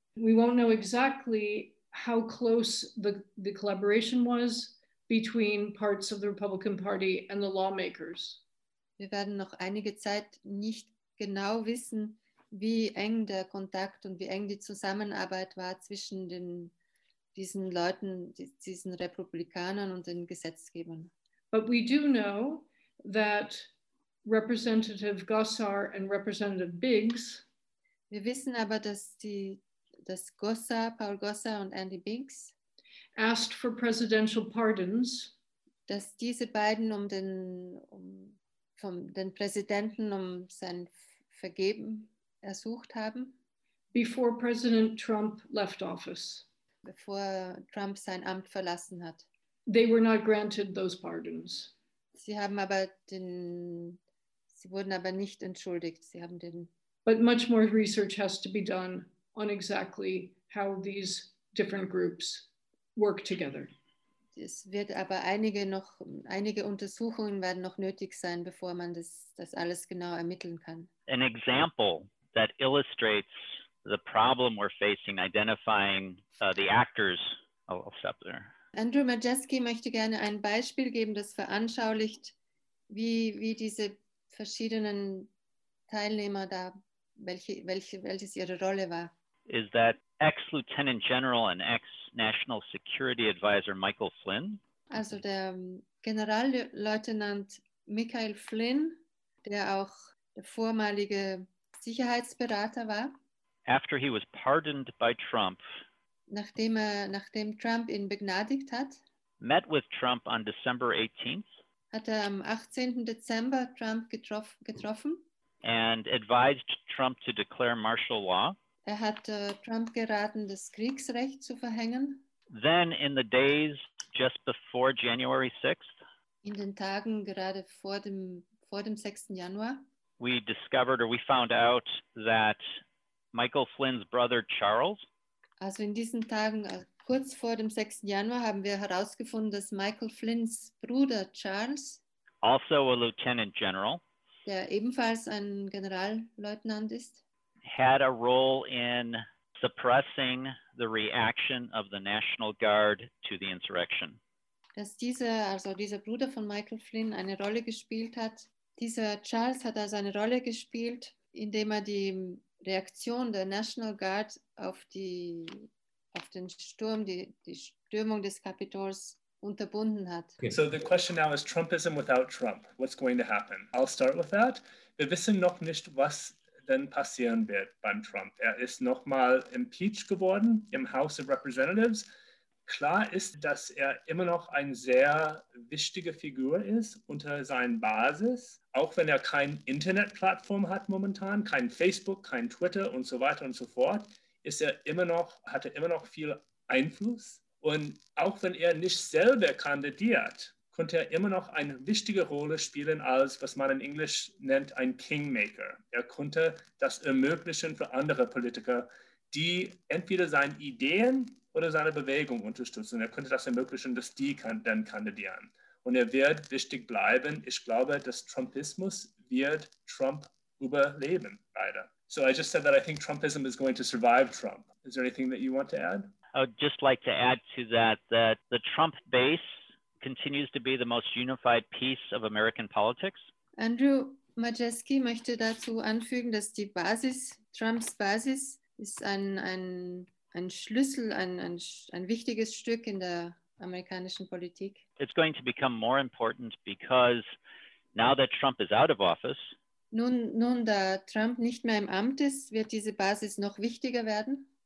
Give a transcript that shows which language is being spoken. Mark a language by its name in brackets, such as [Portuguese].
[English] We won't know exactly how close the collaboration was between parts of the Republican Party and the lawmakers. [German] Wir werden noch einige Zeit nicht genau wissen, wie eng der Kontakt und wie eng die Zusammenarbeit war zwischen diesen Leuten, diesen Republikanern und den Gesetzgebern. [English] But we do know that Representative Gosar and Representative Biggs, [German] wir wissen aber, dass Gosar, Paul Gosar und Andy Biggs, [English] asked for presidential pardons, [German] dass diese beiden den Präsidenten um sein Vergeben ersucht haben, [English] before President Trump left office, [German] bevor Trump sein Amt verlassen hat. [English] They were not granted those pardons. [German] Sie wurden aber nicht entschuldigt. Sie haben den. [English] But much more research has to be done on exactly how these different groups work together. [German] Es wird aber einige Untersuchungen werden noch nötig sein, bevor man das alles genau ermitteln kann. [English] An example that illustrates the problem we're facing identifying the actors. I'll stop there. [German] Andrew Majeski möchte gerne ein Beispiel geben, das veranschaulicht, wie diese verschiedenen Teilnehmer da, welches ihre Rolle war. [English] Is that ex-Lieutenant General and ex-National Security Advisor Michael Flynn? [German] Also der Generalleutnant Michael Flynn, der auch der vormalige Sicherheitsberater war. [English] After he was pardoned by Trump, [German] nachdem Trump ihn begnadigt hat, [English] met with Trump on December 18th, [German] hat am 18. Dezember Trump getroffen [English] and advised Trump to declare martial law. [German] Er hat Trump geraten, das Kriegsrecht zu verhängen. [English] Then in the days just before January 6th, [German] in den Tagen gerade vor dem 6. Januar, [English] we discovered or we found out that Michael Flynn's brother Charles, [German] also in diesen Tagen, kurz vor dem 6. Januar, haben wir herausgefunden, dass Michael Flynns Bruder Charles, also a Lieutenant General, der ebenfalls ein Generalleutnant ist, had a role in suppressing the reaction of the National Guard to the insurrection. Dass dieser Bruder von Michael Flynn eine Rolle gespielt hat. Dieser Charles hat also eine Rolle gespielt, indem er die Reaktion der National Guard auf den Sturm, die Stürmung des Kapitols unterbunden hat. [English] Okay, so the question now is Trumpism without Trump. What's going to happen? I'll start with that. [German] Wir wissen noch nicht, was denn passieren wird beim Trump. Er ist nochmal impeached geworden im House of Representatives. Klar ist, dass er immer noch eine sehr wichtige Figur ist unter seinen Basis, auch wenn er keine Internetplattform hat momentan, kein Facebook, kein Twitter und so weiter und so fort, hat er immer noch viel Einfluss. Und auch wenn er nicht selber kandidiert, konnte er immer noch eine wichtige Rolle spielen als, was man in Englisch nennt, ein Kingmaker. Er konnte das ermöglichen für andere Politiker, die entweder seine Ideen oder seine Bewegung unterstützen. Er könnte das ermöglichen, dass die dann kandidieren. Und er wird wichtig bleiben. Ich glaube, dass Trumpismus wird Trump überleben, leider. [English] So I just said that I think Trumpism is going to survive Trump. Is there anything that you want to add? I would just like to add to that, that the Trump base continues to be the most unified piece of American politics. [German] Andrew Majeski möchte dazu anfügen, dass die Basis, Trumps Basis, ist ein Schlüssel, ein wichtiges Stück in der amerikanischen Politik. [English] It's going to become more important because now that Trump is out of office. [German] Nun, da Trump nicht mehr im Amt ist, wird diese Basis noch wichtiger werden.